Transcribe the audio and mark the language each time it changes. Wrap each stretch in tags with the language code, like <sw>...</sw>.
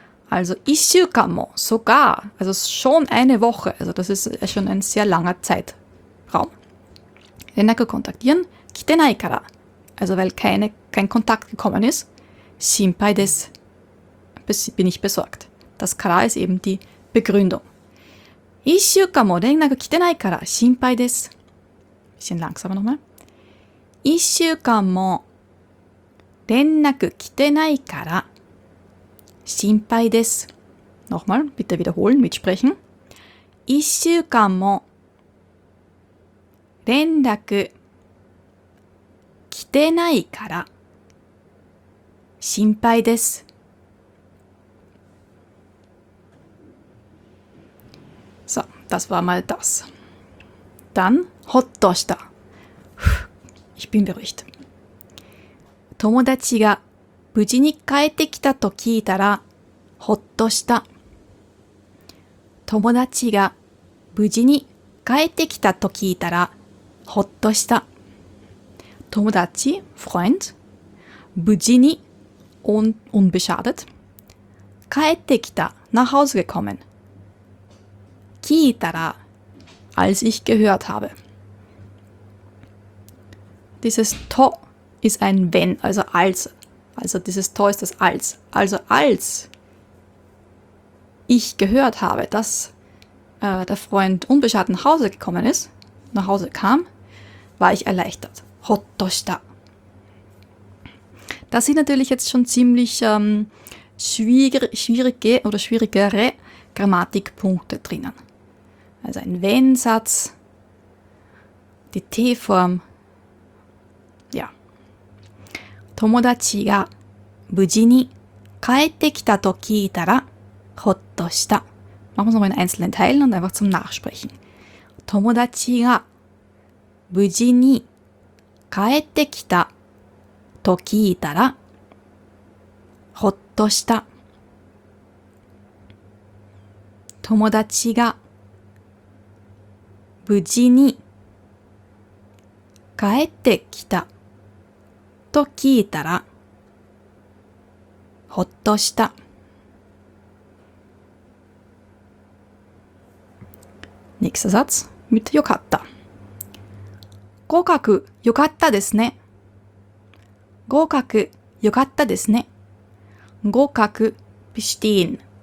<de>Also,</de> <ja>1週間 mo,</ja> <de>sogar, also schon eine Woche, also das ist schon ein sehr langer Zeitraum. Renaku kontaktieren,</de> <ja>来てないから。</ja> <de>Also weil kein Kontakt gekommen ist,</de> <ja>心配です。</ja> <de>Bin ich besorgt. Das から ist eben die Begründung.</de> <ja>一週間も連絡来てないから心配です。</ja> <de>Bisschen langsamer nochmal.</de> <ja>一週間も連絡来てないから心配です。</ja> <de>Nochmal, bitte wiederholen, mitsprechen.</de> <ja>一週間も連絡来てないから心配です。</ja> <de>So, das war mal das. Dann,</de> <ja>ほっとした。</ja> <de>Ich bin beruhigt.</de> <ja>友達が無事に帰ってきたと聞いたら、ほっとした。友達が無事に帰ってきたと聞いたら、ほっとした。</ja> <de>友達、Freund、無事に、unbeschadet、</de> <ja>帰ってきた、</ja> <de>nach Hause gekommen。</de> <ja>聞いたら、</ja> <de>als ich gehört habe。 Dieses To ist ein Wenn, also als. Also dieses To ist das als. Also als ich gehört habe, dass der Freund unbeschadet nach Hause gekommen ist, nach Hause kam, war ich erleichtert.</de> <ja>Hotto shita.</ja> <de>Das sind natürlich jetzt schon ziemlich schwierige oder schwierigere Grammatikpunkte drinnen. Also ein Wenn-Satz, die T-Form, ja.</de> <ja>友達が無事に帰ってきたと聞いたらほっとした。</ja> <de>Machen wir es noch in einzelnen Teilen und einfach zum Nachsprechen.</de> <ja>友達が無事に帰ってきたと聞いたらほっとした。友達が無事に帰ってきたと聞いたらほっとした。</ja> <de>Nächster Satz mit</de> <ja>よかった。合格よかったですね。合格よかったですね。合格</ja> <de>bestehen。</de>